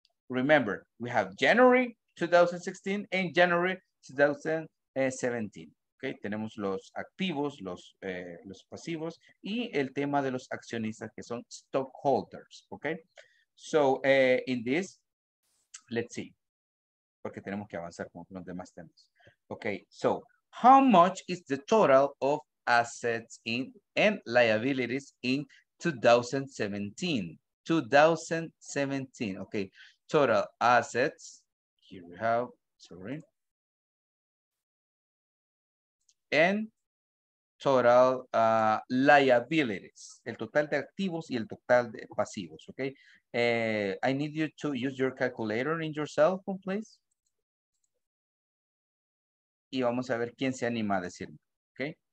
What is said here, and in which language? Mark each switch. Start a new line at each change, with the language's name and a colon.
English: Remember, we have January 2016 and January 2017. Okay?
Spanish: Tenemos los activos, los pasivos y el tema de los accionistas que son stockholders, okay?
English: So in this, let's see.
Spanish: Porque tenemos que avanzar con los demás temas.
English: Okay, so how much is the total of assets in and liabilities in 2017? Okay, total assets. Here we have, sorry. And total liabilities.
Spanish: El total de activos y el total de pasivos, okay?
English: I need you to use your calculator in your cell phone, please.
Spanish: Y vamos a ver quién se anima a decirme, ¿ok?